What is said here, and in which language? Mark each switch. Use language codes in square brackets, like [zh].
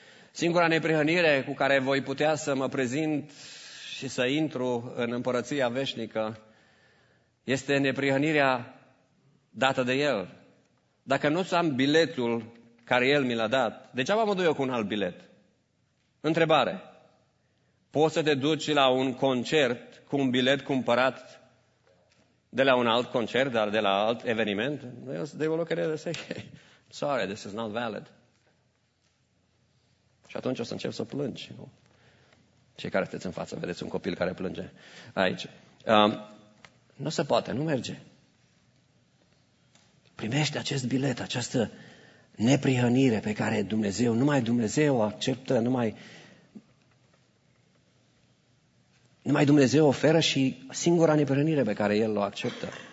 [ro] Singura neprihănire cu care voi putea să mă prezint și să intru în împărăția veșnică este neprihănirea dată de El. Dacă nu am biletul care El mi l-a dat, degeaba mă duc eu cu un alt bilet. Întrebare. Poți să te duci la un concert cu un bilet cumpărat de la un alt concert, dar de la alt eveniment? [en] They will look at it and say, sorry, this is not valid. [ro] Și atunci o să încep să plângi. Nu? Cei care sunteți în față, vedeți un copil care plânge aici. Nu se poate, nu merge. Primește acest bilet, această neprihănire pe care Dumnezeu, numai Dumnezeu acceptă, numai Dumnezeu oferă și singura neprihănire pe care El o acceptă.